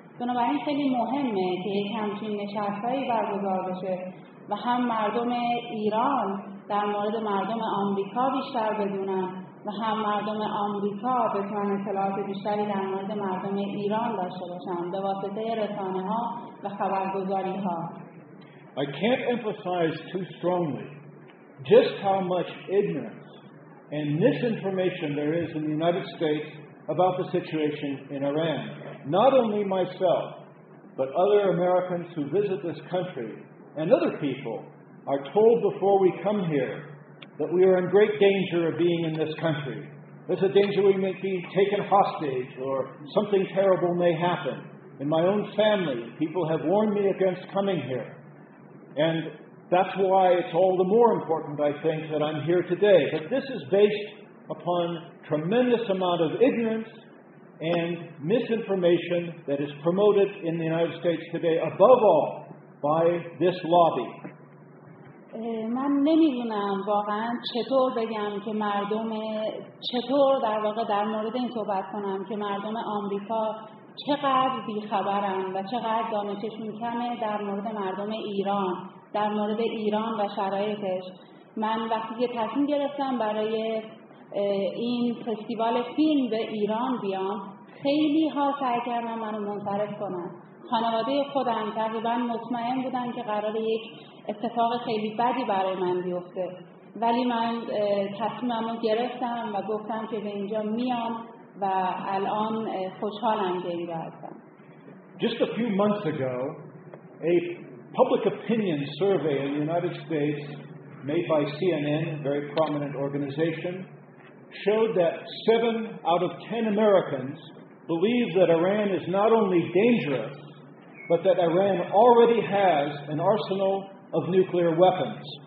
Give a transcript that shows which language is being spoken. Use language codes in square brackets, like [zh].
[fa] بنابراین خیلی مهمه که یک همچین نشست‌هایی برگزار بشه و هم مردم ایران در مورد مردم آمریکا بیشتر بدونن و هم مردم آمریکا بتونن اطلاعات بیشتری در مورد مردم ایران داشته باشن به واسطه رسانه‌ها و خبرگزاری‌ها. [en] I can't emphasize too strongly just how much ignorance and misinformation there is in the United States about the situation in Iran. Not only myself, but other Americans who visit this country and other people are told before we come here that we are in great danger of being in this country. There's a danger we may be taken hostage or something terrible may happen. In my own family, people have warned me against coming here. And that's why it's all the more important, I think, that I'm here today. But this is based upon tremendous amount of ignorance and misinformation that is promoted in the United States today, above all, by this lobby. [fa] من نمی‌دونم واقعاً چطور بگم که مردم چطور در واقع در مورد این صحبت کنم که مردم آمریکا چقدر بی‌خبرن و چقدر دانششون کمه در مورد مردم ایران، در مورد ایران و شرایطش. من وقتی که تصمیم گرفتم برای این فستیوال فیلم به ایران بیام، خیلی ها سعی کردن منو منصرف کنن. خانواده خودم تقریبا مطمئن بودن که قرار یک اتفاق خیلی بدی برای من بیفته، ولی من تصمیممو گرفتم و گفتم که به اینجا میام و الان خوشحالم که اینجا هستم. [en] Just a few months ago, a public opinion survey in the United States made by CNN, a very prominent organization, showed that 7 out of 10 Americans believe that Iran is not only dangerous, but that Iran already has an arsenal of nuclear weapons.